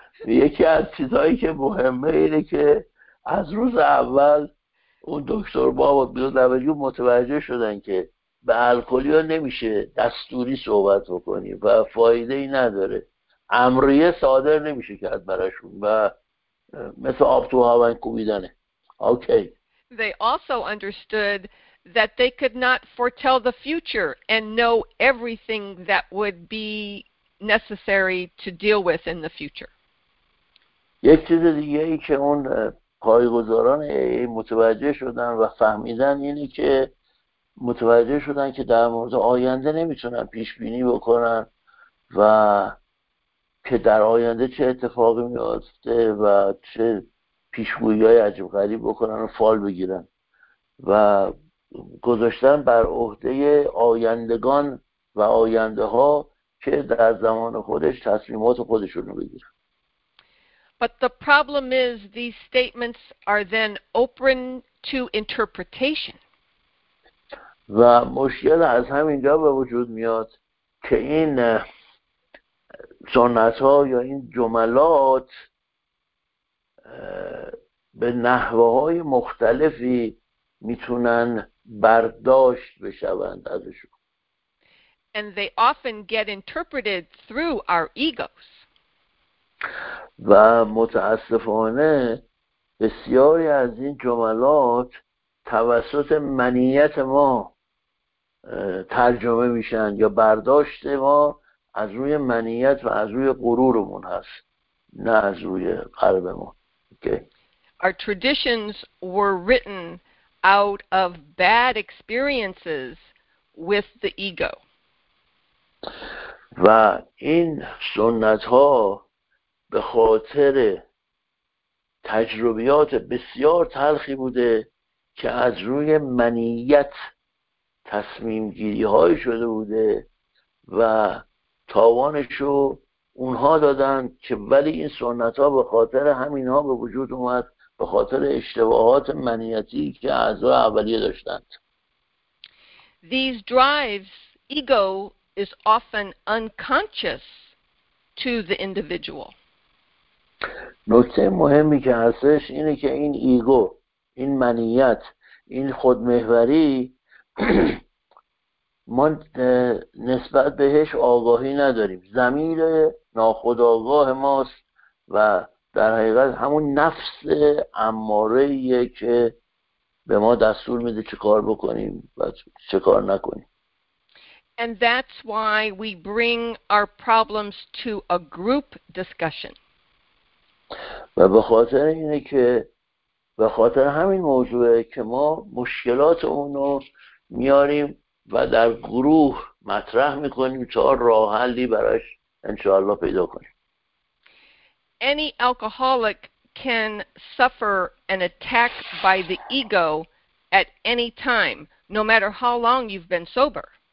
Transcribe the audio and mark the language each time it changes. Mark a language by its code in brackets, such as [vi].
[fa] یکی از چیزایی که مهمه اینه که از روز اول اون دکتر باب و بیل دبلیو متوجه شدن که به الکلی ها نمیشه دستوری صحبت بکنی و فایده ای نداره، امریه صادر نمیشه کرد براشون و مثل آب تو هاون کوبیدنه. [en] Okay. They also understood that they could not foretell the future and know everything that would be necessary to deal with in the future. [fa] یک چیز دیگه ای که اون پایگزاران متوجه شدن و فهمیدن اینه که متوجه شدن که در مورد آینده نمیتونن پیش بینی بکنن و که در آینده چه اتفاقی میفته و چه پیشگویی‌های عجیب غریب بکنن و فال بگیرن و گذاشتن بر عهده آیندگان و آینده‌ها که در زمان خودش تصمیمات خودشون رو بگیرن. [en] But the problem is these statements are then open to interpretation. [fa] و مشکل از همینجا به وجود میاد که این سنت ها یا این جملات به نحوه های مختلفی میتونن برداشت بشوند ازشون. [en] And they often get interpreted through our egos. [fa] و متاسفانه بسیاری از این جملات توسط منیت ما ترجمه میشن یا برداشت ما از روی منیت و از روی غرورمون هست، نه از روی قلبمون. [en] Okay. Our traditions were written out of bad experiences with the ego. [fa] و این سنت ها به خاطر تجربیات بسیار تلخی بوده که از روی منیت تصمیم گیری های شده بوده و تاوانشو اونها دادن، که ولی این سنت ها به خاطر همین ها به وجود اومد، به خاطر اشتباهات منیتی که اعضا اولیه داشتند. [en] These drives ego is often unconscious to the individual. [fa] نکته مهمی که هستش اینه که این ایگو، این منیت، این خودمحوری ما نسبت بهش آگاهی نداریم. ضمیر ناخودآگاه ماست و در حقیقت همون نفس اماره‌ایه که به ما دستور میده چه کار بکنیم و چه کار نکنیم. [en] And that's why we bring our problems to a group discussion. [fa] و به خاطر اینه که به خاطر همین موضوعه که ما مشکلات اونو میاریم و در گروه مطرح میکنیم تا راه حلی براش انشاءالله پیدا کنیم. [en] Any alcoholic can suffer an attack by the ego at any time, no matter how long you've been sober.